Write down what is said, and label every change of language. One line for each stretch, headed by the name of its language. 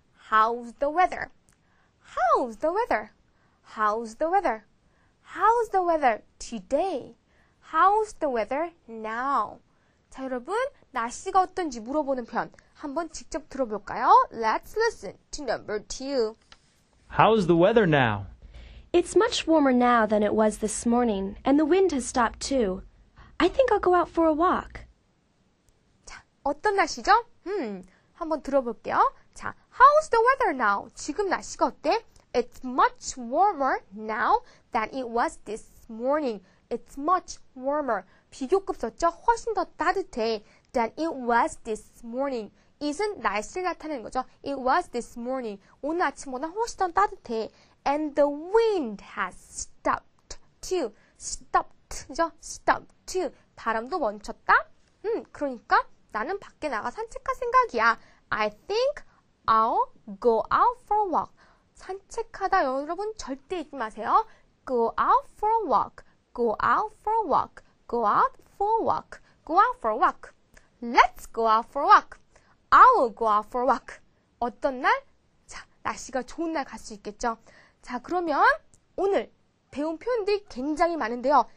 English: How's the weather? How's the weather? How's the weather? How's the weather today? How's the weather now?
Korean: 자, 여러분, 날씨가 어떤지 물어보는 편 한번 직접 들어볼까요?
English: Let's listen to number two. How's the weather now? It's much warmer now than it was this morning, and the wind has stopped too. I think I'll go out for a walk.
Korean: 자, 어떤 날씨죠? 한번 들어볼게요. 자,
English: how's the weather now?
Korean: 지금 날씨가 어때?
English: It's much warmer now than it was this morning. It's much warmer.
Korean: 비교급 썼죠? 훨씬 더 따뜻해.
English: Than it was this morning.
Korean: It은 날씨를 나타내는 거죠.
English: It was this morning.
Korean: 오늘 아침보다 훨씬 더 따뜻해.
English: And the wind has stopped too.
Korean: Stopped죠?
English: Stopped too.
Korean: 바람도 멈췄다? 그러니까 나는 밖에 나가 산책할 생각이야.
English: I think I'll go out for a walk.
Korean: 산책하다 여러분 절대 잊지 마세요.
English: Go out for a walk. Go out for a walk. Go out for a walk. Go out for a walk. Let's go out for a walk. I'll go out for a walk.
Korean: 어떤 날? 자, 날씨가 좋은 날 갈 수 있겠죠. 자, 그러면 오늘 배운 표현들이 굉장히 많은데요.